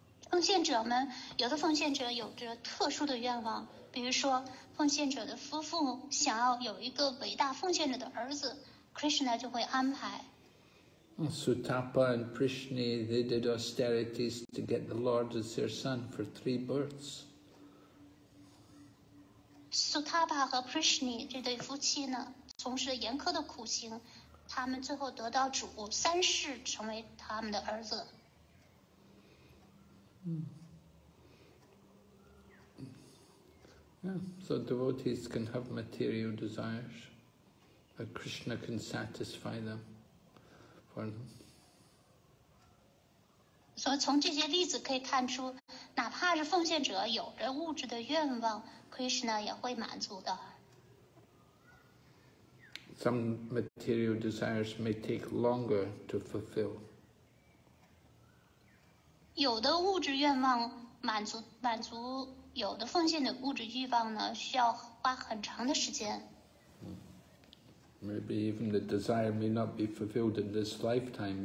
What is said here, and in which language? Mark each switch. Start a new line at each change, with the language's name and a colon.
Chinese: 奉献者们，有的奉献者有着特殊的愿望，比如说奉献者的夫妇想要有一个伟大奉献者的儿子， Krishna 就会安排。
English: Sutapa and Prishni, they did austerities to get the Lord as their son for 3 births.
Chinese: Sutapa 和 Prishni 这对夫妻呢，从事严苛的苦行，他们最后得到主三世成为他们的儿子。
English: Yeah, so devotees can have material desires, but Krishna can satisfy them for them. So, from these examples, it can be seen that even if the volunteer has a material desire, Krishna will satisfy it. Some material desires may take longer to fulfill.
Chinese: 有的物质愿望满足有的奉献的物质欲望呢，需要花很长的时间。
English: Maybe even the desire may not be fulfilled in this lifetime.